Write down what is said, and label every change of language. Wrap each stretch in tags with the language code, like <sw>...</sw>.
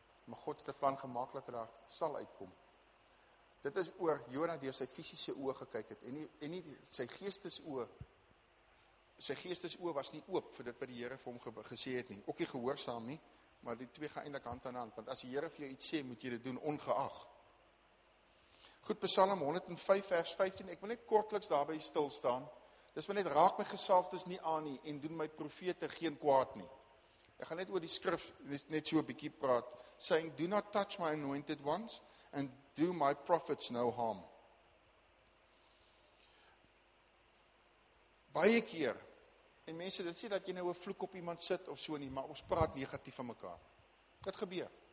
<af>Maar God het 'n plan gemaak dat hy daar sal uitkom. Dit is oor Jona deur sy fisiese oë gekyk het en nie sy geestesoë. Sy geestesoë was nie oop vir dit wat die Here vir hom gesê het nie. Ook nie gehoorsaam nie, maar die twee gaan eintlik hand aan hand, want as die Here vir jou iets sê, moet jy dit doen ongeag. Goed, Psalm 105 vers 15. Ek wil net kortliks daarby stil staan. Dis maar net raak my gesalfdes nie aan nie en doen my profete geen kwaad nie. Ek gaan net oor die skrif net so 'n bietjie praat.</af> <en>Saying, do not touch my anointed ones and do my prophets no harm.</en> <af>Baie keer, en mense, dit sê dat jy nou 'n vloek op iemand sit of so nie, maar ons praat negatief van mekaar. Dit gebeur.</af>